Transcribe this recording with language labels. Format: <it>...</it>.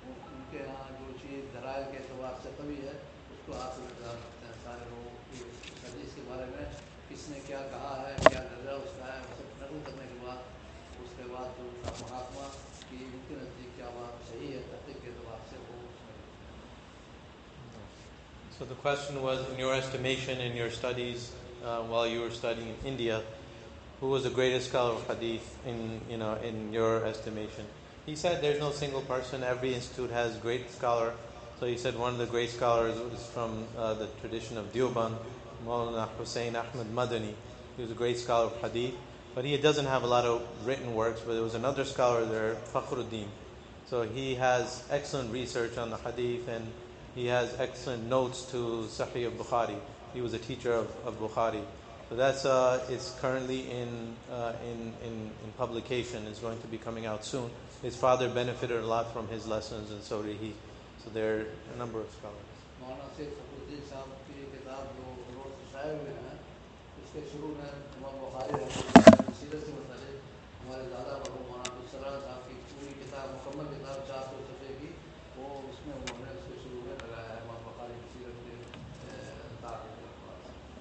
<ur>ان کے یہاں جو چیز درائل کے اعتبار سے کمی ہے اس کو آپ سے جان سکتے ہیں, سارے لوگوں کی حدیث کے بارے میں کس نے کیا کہا ہے, کیا درجہ اس کا ہے, اسے نقل کرنے کے بعد اس کے بعد جو ان کا محاکمہ کہ ان کے نزدیک کیا بات صحیح ہے تحقیق کے اعتبار سے وہ.</ur> <en>So the question was, in your estimation, in your studies, while you were studying in India, who was the greatest scholar of hadith in your estimation? He said there's no single person, every institute has great scholar. So he said one of the great scholars was from the tradition of Dioban, Maulana Hussein Ahmed Madani. He was a great scholar of hadith, but he doesn't have a lot of written works, but there was another scholar there, Fakhruddin. So he has excellent research on the hadith and he has excellent notes to Sahih of Bukhari. He was a teacher of Bukhari. So that's it's currently in publication. It's going to be coming out soon. His father benefited a lot from his lessons and so did he. So there are a number of scholars. Maulana</en> <ur>مولانا سید فخرالدین صاحب کی یہ کتاب جو روز شائع ہوئے ہیں اس کے شروع میں امام بخاری سیرت سے متعلق ہمارے دادا بابو مولانا عبدالسلام صاحب کی پوری کتاب مکمل کتاب 400 صفحے کی وہ اس میں انہوں نے اس کے شروع میں لگایا ہے امام بخاری کی سیرت کے تعلق سے.</ur>